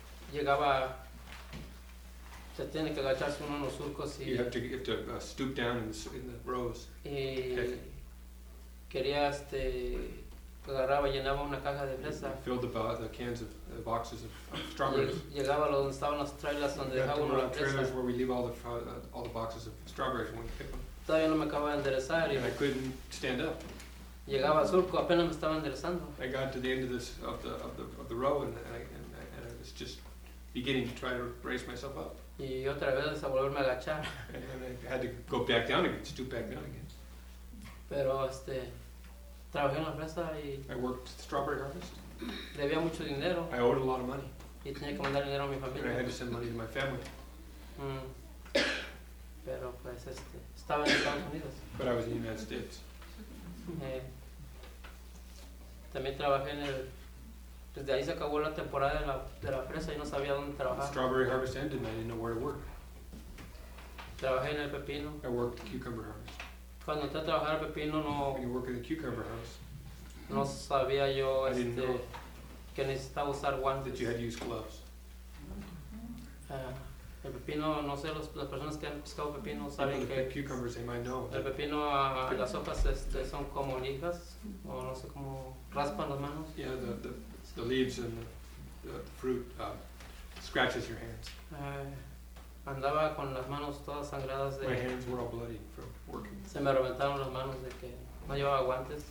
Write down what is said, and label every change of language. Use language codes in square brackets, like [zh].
[es] Llegaba, se tiene que agacharse uno en los surcos y [en] you have to stoop down in the rows. [es] Y quería este agarraba llenaba una caja de fresa. [en] Filled the cans of the boxes of strawberries. [es] Llegaba a donde estaban las trailers donde dejaba una fresa. [en] Trailers where we leave all the boxes of strawberries when we pick them. [es] Todavía no me acababa de enderezar. [en] And I couldn't stand up. [es] Llegaba surco apenas me estaba enderezando. [en] I got to the end of this of the row and I was just beginning to try to raise myself up. [es] Y otra vez a volverme a agachar. [en] And I had to go back down again, stoop back down again. [es] Pero este trabajé en la empresa y [en] I worked strawberry harvest. [es] Debía mucho dinero. [en] I owed a lot of money. [es] Y tenía que mandar dinero a mi familia. [en] And I had to send money to my family. [es] Pero pues este estaba en Estados Unidos. [en] But I was in the United States. [es] También trabajé en el desde ahí se acabó la temporada de la fresa y no sabía dónde trabajar. [en] Strawberry harvest ended and I didn't know where to work. [es] Trabajé en el pepino. [en] I worked the cucumber harvest. [es] Cuando entré a trabajar el pepino no [en] when you work in the cucumber harvest, [es] no sabía yo [en] I didn't este, know [es] que necesitaba usar guantes. [en] That you had to use gloves. [es] El pepino, no sé, las personas que han pescado pepino saben que [en] cucumbers, they might know. [es] El pepino, las hojas este, son como lijas, o no sé, como raspan las manos. [en] Yeah, the leaves and the fruit scratches your hands. [es] Andaba con las manos todas sangradas de [en] my hands were all bloody from working. [es] Se me reventaron las manos de que no llevaba guantes.